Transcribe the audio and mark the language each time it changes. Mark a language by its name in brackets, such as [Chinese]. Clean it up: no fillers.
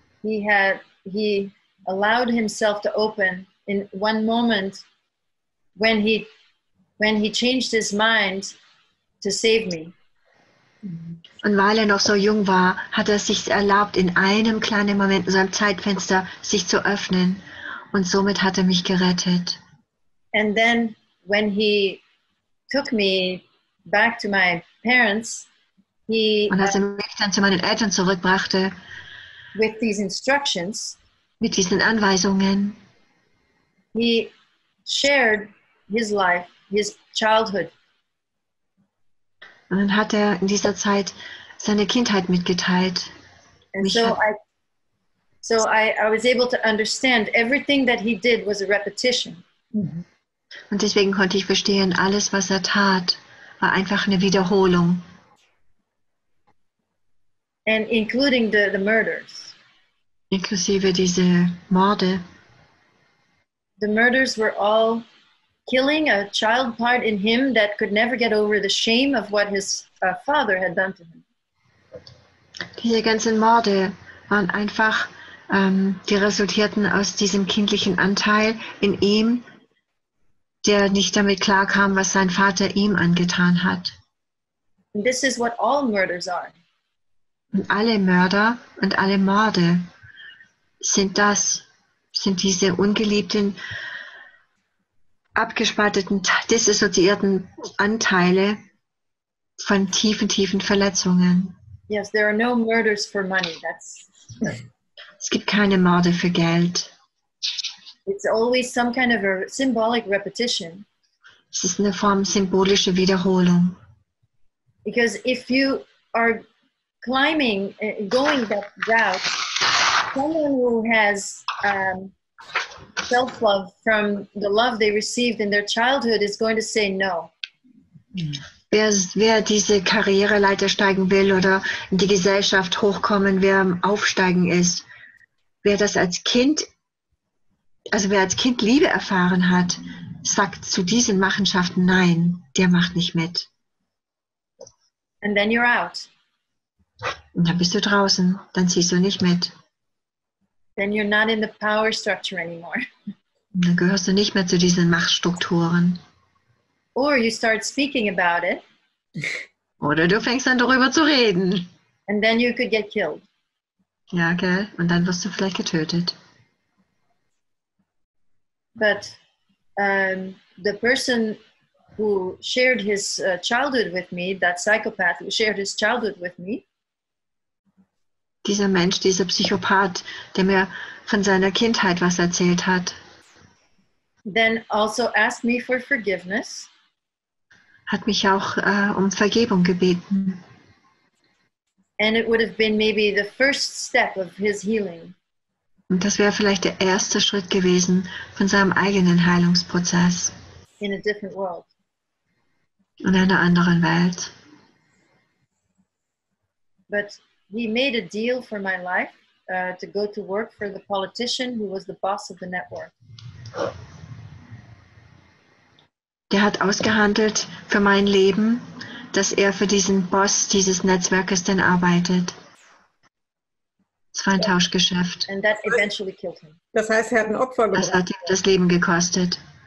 [English] he allowed himself to open in one moment when he changed his mind to save me. [German] Und weil er noch so jung war, hat er sich erlaubt, in einem kleinen Moment, in seinem Zeitfenster, sich zu öffnen. Und somit hat er mich gerettet. [English] And then when he took me back to my parents, [German] und als er mich dann zu meinen Eltern zurückbrachte, [English] with these instructions, [German] mit diesen Anweisungen, [English] he shared his life, his childhood. [German] Und dann hat er in dieser Zeit seine Kindheit mitgeteilt. [English] And so I was able to understand everything that he did was a repetition. [German] Und deswegen konnte ich verstehen, alles, was er tat, war einfach eine Wiederholung. [English] And including the murders. [German] Inklusive diese Morde. [English] The murders were all killing a child part in him that could never get over the shame of what his father had done to him. [German] Diese ganzen Morde waren einfach, die resultierten aus diesem kindlichen Anteil in ihm, der nicht damit klarkam, was sein Vater ihm angetan hat. [English] And this is what all murders are. [German] Und alle Mörder und alle Morde sind das, sind diese ungeliebten, abgespalteten, dissoziierten Anteile von tiefen, tiefen Verletzungen. [English] Yes, there are no murders for money. That's... [German] Es gibt keine Morde für Geld. [English] It's always some kind of a symbolic repetition. [German] Es ist eine Form symbolischer Wiederholung. [English] Because if you are climbing, going that route, someone who has self-love from the love they received in their childhood is going to say no. [German] Wer diese Karriereleiter steigen will oder in die Gesellschaft hochkommen, wer am Aufsteigen ist, wer das als Kind, also wer als Kind Liebe erfahren hat, sagt zu diesen Machenschaften nein, der macht nicht mit. [English] And then you're out. [German] Und dann bist du draußen, dann ziehst du nicht mit. [English] Then you're not in the power structure anymore. [German] Dann gehörst du nicht mehr zu diesen Machtstrukturen. [English] Or you start speaking about it. [German] Oder du fängst an, darüber zu reden. [English] And then you could get killed. [German] Ja, okay. Und dann wirst du vielleicht getötet. [English] But the person who shared his childhood with me, that psychopath who shared his childhood with me, [German] dieser Mensch, dieser Psychopath, der mir von seiner Kindheit was erzählt hat. [English] Then also asked me for forgiveness. [German] Hat mich auch um Vergebung gebeten. [English] And it would have been maybe the first step of his healing. [German] Und das wäre vielleicht der erste Schritt gewesen von seinem eigenen Heilungsprozess. [English] In a different world. [German] In einer anderen Welt. [English] But he made a deal for my life to go to work for the politician who was the boss of the network. [German] Der hat ausgehandelt für mein Leben, dass er für diesen Boss dieses Netzwerkes denn arbeitet. Es war ein Tauschgeschäft. [English] And that eventually killed him. [German] Das heißt, er hat ein Opfer gebracht. Das hat ihm das Leben gekostet.